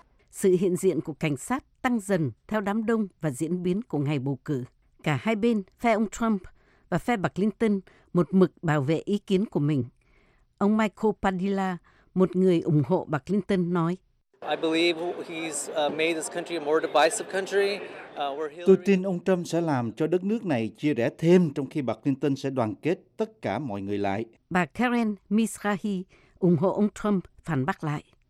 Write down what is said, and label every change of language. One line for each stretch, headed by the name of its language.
Vietnamese: Sự hiện diện của cảnh sát tăng dần theo đám đông và diễn biến của ngày bầu cử. Cả hai bên, phe ông Trump và phe bà Clinton, một mực bảo vệ ý kiến của mình. Ông Michael Padilla, một người ủng hộ bà Clinton, nói:
English: I believe he's made this country a more divisive country.
Vietnamese: Tôi tin ông Trump sẽ làm cho đất nước này chia rẽ thêm, trong khi bà Clinton sẽ đoàn kết tất cả mọi người lại. Bà Karen Mizrahi ủng hộ ông Trump phản bác lại.